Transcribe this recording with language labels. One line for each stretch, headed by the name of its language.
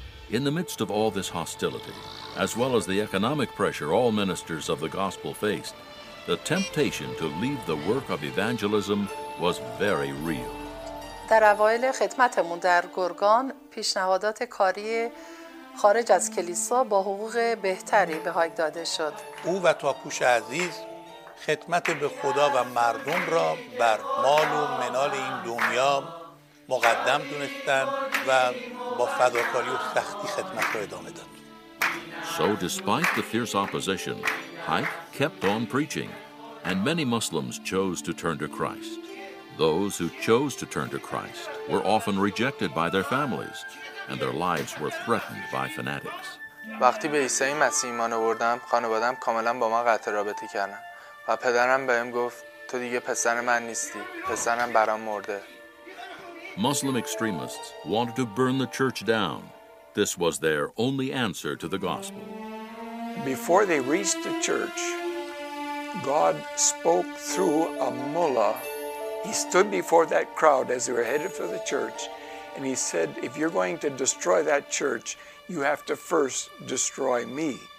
English: In the midst of all this hostility, as well as the economic pressure all ministers of the gospel faced, the temptation to leave the work of evangelism was very real.
Persian: در اوایل خدمتمون در گرگان پیشنهادات کاری خارج از کلیسا با حقوق بهتری به هایک داده شد. او و تاکوش عزیز خدمت به خدا و مردم را بر مال و منال این دنیا مقدم دونستند و با فداکاری و سختی خدمت را ادامه داد.
English: So despite the fierce opposition, Haik kept on preaching, and many Muslims chose to turn to Christ. Those who chose to turn to Christ were often rejected by their families, and their lives were threatened by fanatics.
Persian: وقتی به عیسی مسیح ایمان آوردم، خانواده‌ام کاملا با من قطع رابطه کردن. و پدرم بهم گفت، تو دیگه پسر من نیستی، پسرم برام مرده.
English: Muslim extremists wanted to burn the church down. This was their only answer to the gospel. Before they reached the church, God spoke through a mullah. He stood before that crowd as they were headed for the church, and he said, if you're going to destroy that church, you have to first destroy me.